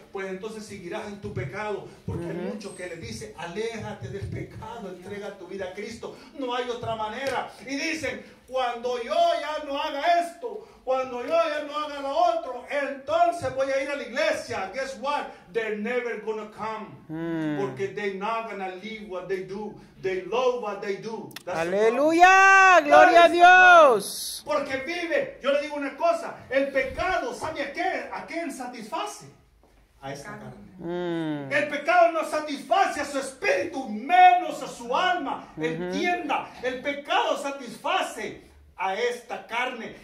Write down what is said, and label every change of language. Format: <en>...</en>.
<es>Pues entonces seguirás en tu pecado, porque hay mucho que le dice, aléjate del pecado, entrega tu vida a Cristo, no hay otra manera. Y dicen, cuando yo ya no haga esto, cuando yo ya no haga lo otro, entonces voy a ir a la iglesia.</es> <en>Guess what? They're never gonna come.</en> <es>Porque</es> <en>they're not gonna leave what they do. They love what they do. That's</en> <es>¡aleluya! ¡Gloria a Dios! Porque vive, yo le digo una cosa, el pecado, ¿sabe a qué? ¿A quién satisface? A esta carne. El pecado no satisface a su espíritu, menos a su alma. Entienda, el pecado satisface a esta carne.</es>